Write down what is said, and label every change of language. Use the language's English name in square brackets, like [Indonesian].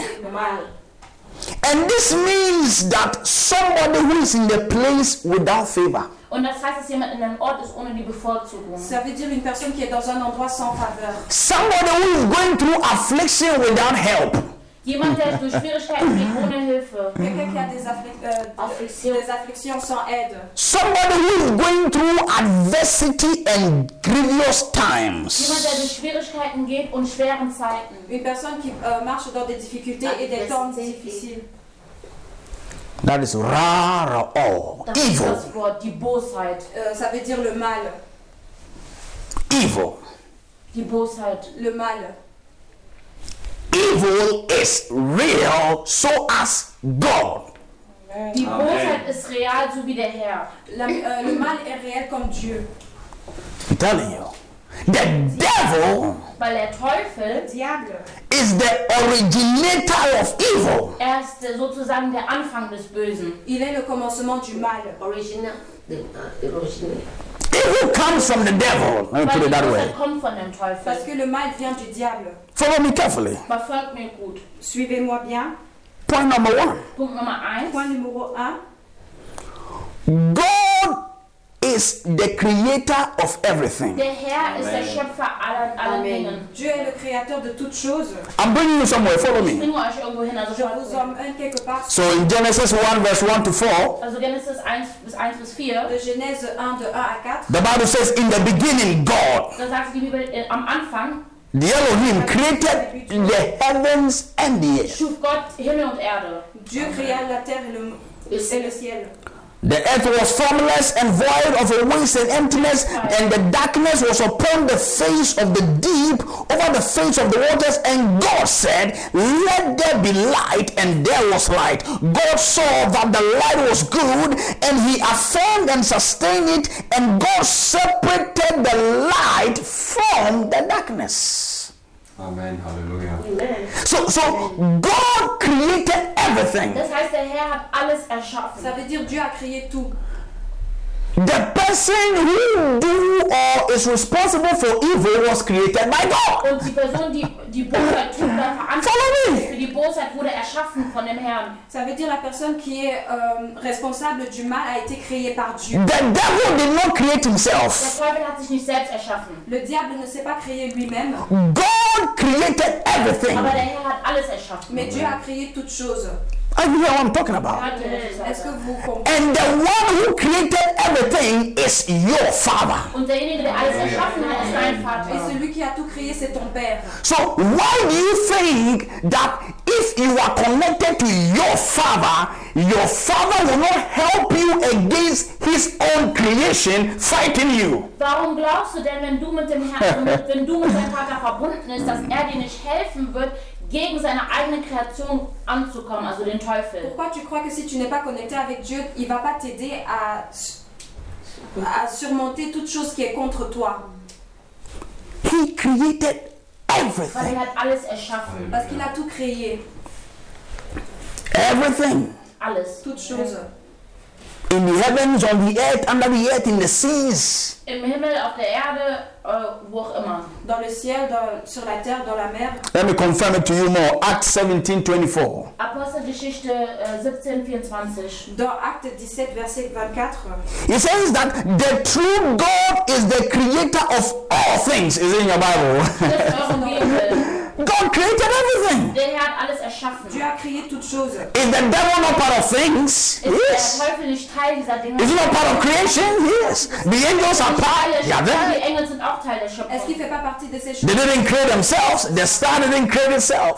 [English] And this means that somebody who is in the place without favor. [German] Und das heißt, dass jemand in einem Ort ist ohne die Bevorzugung. [French] Ça veut dire une personne qui est dans un endroit sans faveur. [English] Somebody who is going through affliction without help. [German] Jemand, der durch Schwierigkeiten geht ohne Hilfe. [French] Des Afflictions sans aide. [English] Somebody who is going through adversity and grievous times. [German] Jemand, der durch Schwierigkeiten geht und schweren Zeiten. [French] Une personne qui marche dans des difficultés et des temps difficiles. [English] That is rare or evil. [German] Das Wort, die Bosheit. [French] Ça veut dire le mal. [English] Evil. [German] Die Bosheit. [French] Le mal. [English] Evil is real, so as God. Amen. [German] Die Bosheit ist real, so wie der Herr. [French] Le mal est réel comme Dieu. [English] I'm telling you. The devil, [German] weil der Teufel, [French] Diable, [English] is the originator of evil. [German] Er ist sozusagen der Anfang des Bösen. [French] Il est le commencement du mal. [English] Evil comes from the devil. Let me put it that way. [German] Kommt von dem Teufel. [French] Parce que le mal vient du diable. [English] Follow me carefully. [German] Mais folgt mir gut. [French] Suivez-moi bien. [English] Point number one. [German] Punkt Nummer eins. [French] Point numéro un. [English] God is the creator of everything. [German] Der Herr Amen. Ist der Schöpfer aller Amen. Dingen. [French] Dieu est le créateur de toutes choses. [English] I'm bringing you somewhere, follow me. [French] Je vous emmène quelque part. [English] So in Genesis 1 verse 1 to 4. [German] Also Genesis 1 bis 4. [French] De Genèse 1 de 1 à 4. [English] The Bible says in the beginning God. [German] Das sagt die Bibel am Anfang. [English] The Elohim created the heavens and the earth. [German] Schuf Gott Himmel und Erde. [French] Dieu créa la terre et le ciel. [English] The earth was formless and void of a waste and emptiness, and the darkness was upon the face of the deep, over the face of the waters, and God said, let there be light, and there was light. God saw that the light was good, and he affirmed and sustained it, and God separated the light from the darkness. Amen. Hallelujah. Amen. So God created everything. [German] Das heißt, der Herr hat alles erschaffen. [French] Ça veut dire Dieu a créé tout. [English] The person who do or is responsible for evil was created by God. [German] Und die Person, die Bosheit tut, war verantwortlich. [English] Follow me. [German] Für die Bosheit wurde erschaffen von dem Herrn. [French] Ça veut dire la personne qui est responsable du mal a été créée par Dieu. [English] The devil did not create himself. [German] Der Teufel hat sich nicht selbst erschaffen. [French] Le diable ne s'est pas créé lui-même. [English] God created everything. [German] Aber der Herr hat alles erschaffen. [French] Mais Dieu a créé toute chose. [English] I know what I'm talking about. Amen. And the one who created everything is your father. [German] Und derjenige, der alles erschaffen hat, ist dein Vater. [French] Et celui qui a tout créé, c'est ton père. [English] So why do you think that if you are connected to your father will not help you against his own creation fighting you? [German] Warum glaubst du denn, wenn du mit dem Herrn, wenn du mit deinem Vater verbunden ist, dass er dir nicht helfen wird? Gegen seine eigene Kreation anzukommen, also den Teufel. [French] Pourquoi tu crois que si tu n'es pas connecté avec Dieu, il va pas t'aider à surmonter toute chose qui est contre toi? [English] He created everything. [German] Weil er hat alles erschaffen. [French] Alleluia. Parce qu'il a tout créé. [English] Everything. [German] Alles. [French] Toute chose. [English] In the heavens, on the earth, under the earth, in the seas. [German] Im Himmel, auf der Erde, wo auch immer. [French] Dans le ciel, sur la terre, dans la mer. [English] Let me confirm it to you more. Acts 17:24. [German] Apostelgeschichte 17:24. [French] Dans Acte 17, verset 24. [English] It says that the true God is the creator of all things. Is it in your Bible? God created everything. [German] Der hat alles erschaffen. [French] Dieu a créé toute chose. [English] Is the devil not part of things? Yes. Is he not part of creation? Yes. The angels are part. Yeah, they. [German] Die Engel sind auch Teil der Schöpfung. Es gibt keine Partie des Schöpfers. [English] They didn't create themselves. The star didn't create itself.